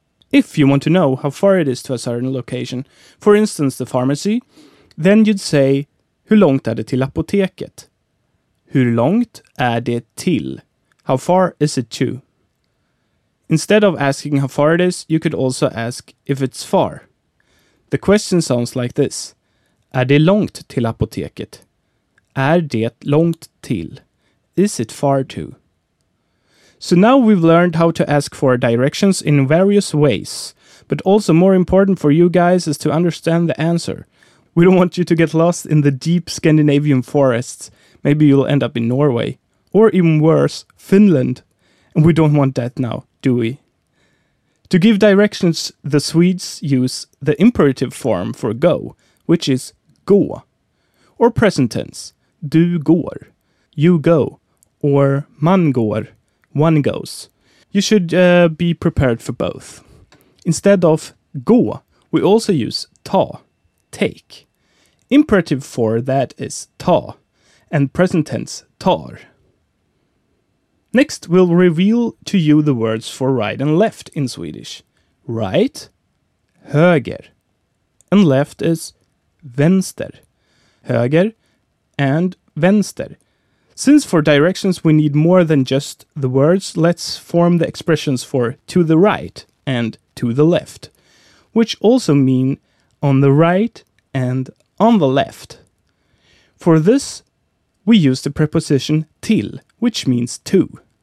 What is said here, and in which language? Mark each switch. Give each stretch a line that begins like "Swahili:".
English: If you want to know how far it is to a certain location, for instance the pharmacy, then you'd say,
Swedish: "Hur långt är det till apoteket?" Hur långt är det till?
English: How far is it to? Instead of asking how far it is, you could also ask if it's far. The question sounds like this.
Swedish: Är det långt till apoteket? Är det långt till?
English: Is it far to? So now we've learned how to ask for directions in various ways. But also more important for you guys is to understand the answer. We don't want you to get lost in the deep Scandinavian forests. Maybe you'll end up in Norway. Or even worse, Finland. And we don't want that now, do we? To give directions, the Swedes use the imperative form for go, which is gå. Or present tense,
Swedish: du går,
English: you go, or
Swedish: man går,
English: one goes. You should be prepared for both. Instead of gå, we also use ta, take. Imperative for that is ta, and present tense tar. Next, we'll reveal to you the words for right and left in Swedish. Right, höger, and left is vänster, höger, and vänster. Since for directions we need more than just the words, let's form the expressions for to the right and to the left, which also mean on the right and on the left. For this, we use the preposition till, which means to.